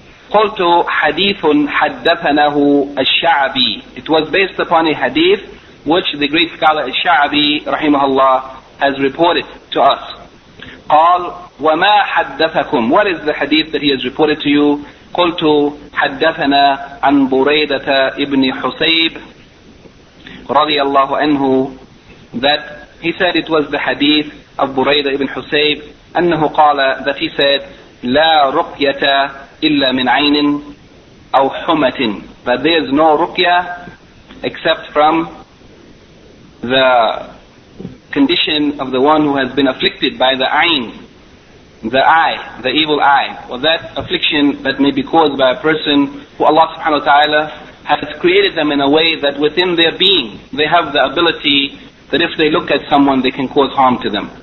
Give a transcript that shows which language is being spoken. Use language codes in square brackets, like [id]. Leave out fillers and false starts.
[ar] قُلْتُ حَدِيثٌ حَدَّثَنَهُ الشَّعْبِ. [en] It was based upon a hadith which the great scholar الشَّعْبِ رَحِمَهُ اللَّهُ has reported to us. [ar] قَالْ وَمَا حَدَّثَكُمْ. [en] What is the hadith that he has reported to you? [ar] قلت حدثنا عن بريدة ابن حسيب رضي الله عنه. [en] That he said it was the hadith of بريدة ابن حسيب, أنه قال, that he said [ar] لا رقية إلا من عين أو حمة. [en] That there is no رقية except from the condition of the one who has been afflicted by the عين, the eye, the evil eye, or that affliction that may be caused by a person who Allah subhanahu wa ta'ala has created them in a way that within their being they have the ability that if they look at someone they can cause harm to them.